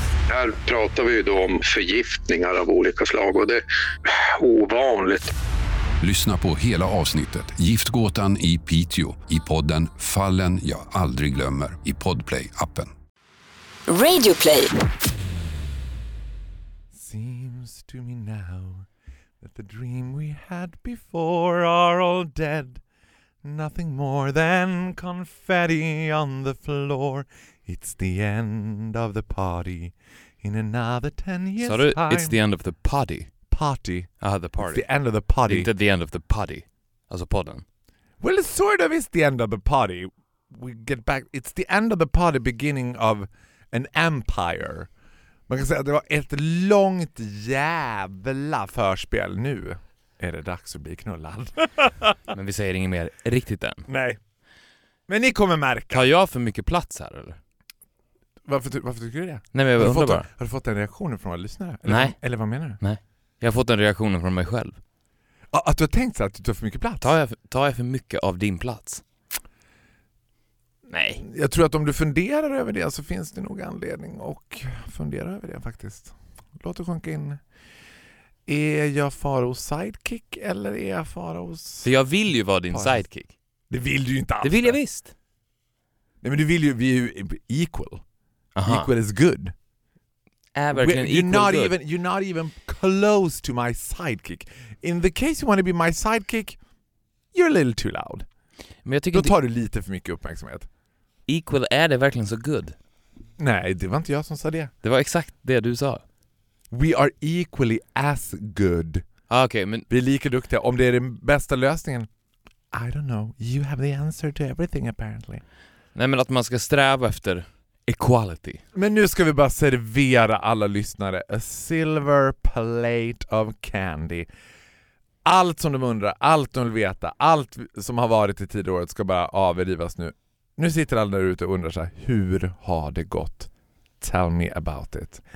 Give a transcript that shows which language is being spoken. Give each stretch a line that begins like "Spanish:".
Swedish: Här pratar vi då om förgiftningar av olika slag och det är ovanligt. Lyssna på hela avsnittet Giftgåtan i Piteå i podden Fallen jag aldrig glömmer i Podplay-appen. Radio Play.
English: Seems to me now that the dream we had before are all dead. Nothing more than confetti on the floor. It's the end of the party. In another 10 years. Sorry, time. It's the end of the party. Party. Ah, the party. It's the end of the party. It's the end of the party. As a podden. Well, it sort of is the end of the party. We get back. It's the end of the party, beginning of an empire.
Swedish: Man kan säga att det var ett långt jävla förspel. Nu är det dags att bli knullad. Men vi säger inget mer riktigt än. Nej. Men ni kommer märka. Har jag för mycket plats här eller? Varför tycker du det? Nej, men jag undrar bara. Har du fått en reaktion från våra lyssnare? Nej. Eller vad menar du? Nej. Jag har fått en reaktion från mig själv. Att du har tänkt så att du tar för mycket plats? Tar jag för mycket av din plats? Nej. Jag tror att om du funderar över det så finns det nog anledning att fundera över det faktiskt. Låt det sjunka in. Är jag Faros sidekick eller är jag Faros... För jag vill ju vara din sidekick. Det vill du ju inte alls. Det vill jag visst. Nej, men du vill ju, vi är ju equal. Aha.
English: Equal is good. You're not even close to my sidekick. In the case you want to be my sidekick, you're a little too loud.
Swedish: Men jag tycker då tar du lite för mycket uppmärksamhet. Equal, är det verkligen så good? Nej, det var inte jag som sa det. Det var exakt det du sa.
English: We are equally as good.
Swedish: Ah, okay, men... Vi är lika duktiga. Om det är den bästa lösningen,
English: I don't know. You have the answer to everything apparently.
Swedish: Nej, men att man ska sträva efter equality. Men nu ska vi bara servera alla lyssnare
English: a silver plate of candy.
Swedish: Allt som de undrar, allt de vill veta, allt som har varit i tidigare året ska bara avrivas nu. Nu sitter alla där ute och undrar så här, hur har det gått?
English: Tell me about it.